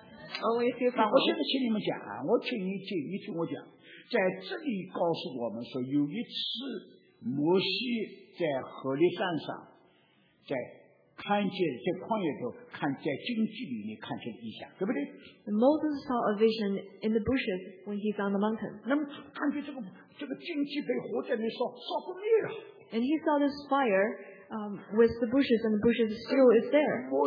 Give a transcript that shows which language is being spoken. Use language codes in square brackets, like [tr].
[zh] 我现在请你们讲、啊、我请你听，你听我讲，在这里告诉我们说，有一次摩西在何烈山上，在看见在旷野中看，在荆棘里面看见了异象，对不对 [en] ？Moses saw a vision in the bushes when he found the mountain. [zh] 那么看见这个荆棘被火在那烧不灭了。 [en] And he saw this fire. With the bushes, and the bushes still is there.